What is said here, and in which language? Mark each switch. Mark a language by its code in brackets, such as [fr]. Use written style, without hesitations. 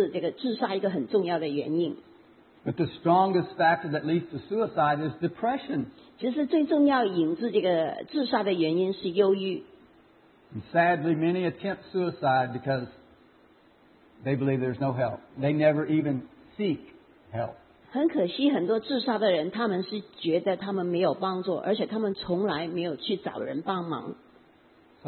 [zh] 今天在温哥华，很多人都觉得吃这个毒品没有关系。其实呢，吸毒是引致这个自杀一个很重要的原因。 [en] But the strongest factor that leads to suicide is depression. [zh] 其实最重要引致这个自杀的原因是忧郁。 [en] And sadly, many attempt suicide because they believe there's no help. They never even seek help. [zh] 很可惜，很多自杀的人，他们是觉得他们没有帮助，而且他们从来没有去找人帮忙。 [en] So